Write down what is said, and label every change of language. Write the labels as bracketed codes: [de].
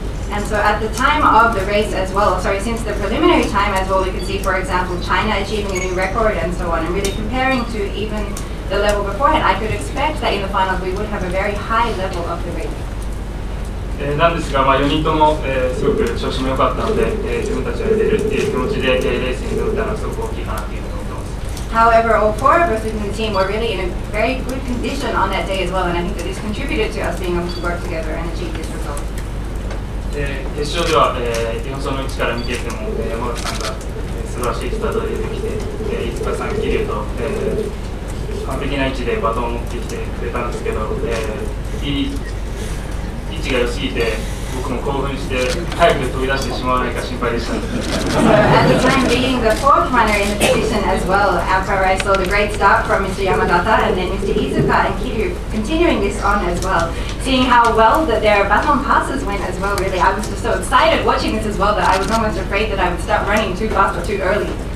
[en] And so at the time of the race as well, sorry, since the preliminary time as well, we can see, for example, China achieving a new record and so on, and really comparing to even the level beforehand, I could expect that in the finals we would have a very high level of the race. [ja] なんですが、まあ、4人とも、すごく調子も良かったので、自分たちが出るっていう気持ちで、レースに乗ったのはすごく大きいかなっていうのを思ってます。 [en] However, all four of us in the team were really in a very good condition on that day as well, and I think that this contributed to us being able to work together and achieve this result. [ja] 決勝では、日本その位置から見ていても、山田さんが、素晴らしいスタートで出てきて、飯塚さん、桐生と、完璧な位置でバトンを持ってきてくれたんですけど、いい位置が良すぎて、僕も興奮して、早く飛び出してしまわないか心配でした。 [en] So, at the time being the fourth runner in the position as well, after I saw the great start from Mr. Yamagata and then Mr. Izuka and Kiryu continuing this on as well. Seeing how well that their baton passes went as well, really, I was just so excited watching this as well that I was almost afraid that I would start running too fast or too early.